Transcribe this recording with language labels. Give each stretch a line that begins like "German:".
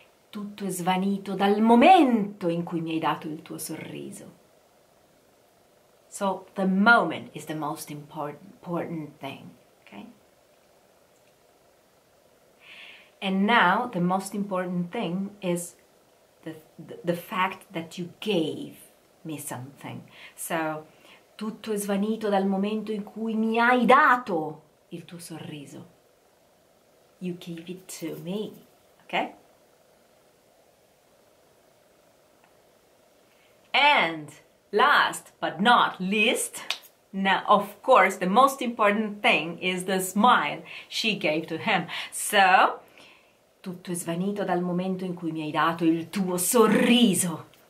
Italian: Tutto è svanito dal momento in cui mi hai dato il tuo sorriso.
English: So, the moment is the most important thing, okay? And now, the most important thing is the fact that you gave me something. So,
Italian: tutto è svanito dal momento in cui mi hai dato il tuo sorriso.
English: You gave it to me, okay? And last but not least, now of course the most important thing is the smile she gave to him. So,
Italian: Tutto è svanito dal momento in cui mi hai dato il tuo sorriso.